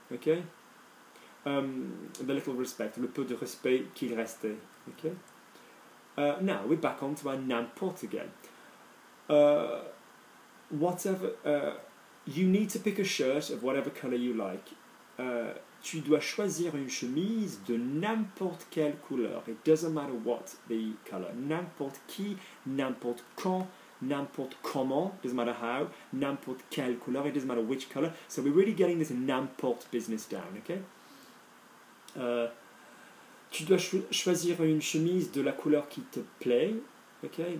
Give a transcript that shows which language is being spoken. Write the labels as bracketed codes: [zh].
[en] Okay? The little respect, [fr] le peu de respect qu'il restait. [en] Okay? Now, we're back onto our n'importe again. Whatever, you need to pick a shirt of whatever colour you like. [fr] Tu dois choisir une chemise de n'importe quelle couleur. [en] It doesn't matter what the color. [fr] N'importe qui, n'importe quand, n'importe comment, [en] doesn't matter how, [fr] n'importe quelle couleur, [en] it doesn't matter which color. So we're really getting this n'importe business down, okay? [fr] Tu dois choisir une chemise de la couleur qui te plaît, okay?